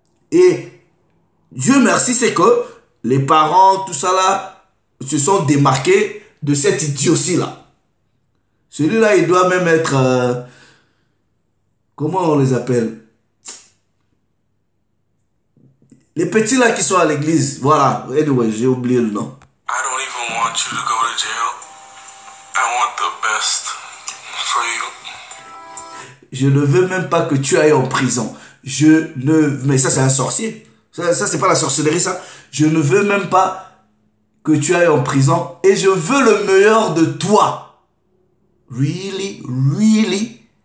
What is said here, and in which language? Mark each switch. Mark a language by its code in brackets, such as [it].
[fr] Et Dieu merci, c'est que les parents, tout ça là, se sont démarqués de cet idiotie là. Celui-là, il doit même être... comment on les appelle? Les petits là qui sont à l'église. Voilà. Anyway, j'ai oublié le nom. [en] I don't even want you to go to jail. I want the best for you. [fr] Je ne veux même pas que tu ailles en prison. Je ne... Mais ça, c'est un sorcier. Ça, c'est pas la sorcellerie, ça. Je ne veux même pas que tu ailles en prison. Et je veux le meilleur de toi. [en] Really? Really?